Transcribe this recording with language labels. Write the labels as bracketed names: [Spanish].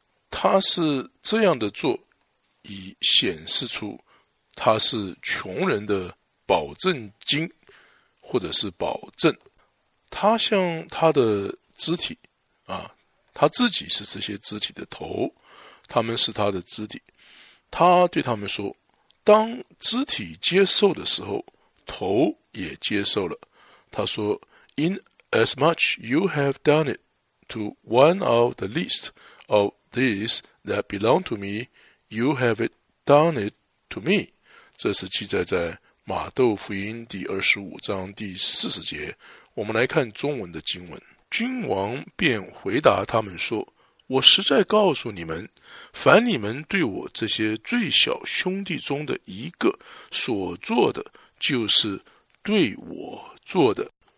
[Chinese] 他是这样的做，以显示出他是穷人的保证金或者是保证。他向他的肢体他自己是这些肢体的头，他们是他的肢体，他对他们说，当肢体接受的时候，头也接受了。他说 [English] In as much you have done it to one of the least of these that belong to me, you have it done it to me. [Chinese] 这是记载在马窦福音第25章第40节。我们来看中文的经文。君王便回答他们说，我实在告诉你们，凡你们对我这些最小兄弟中的一个所做的，就是对我做的。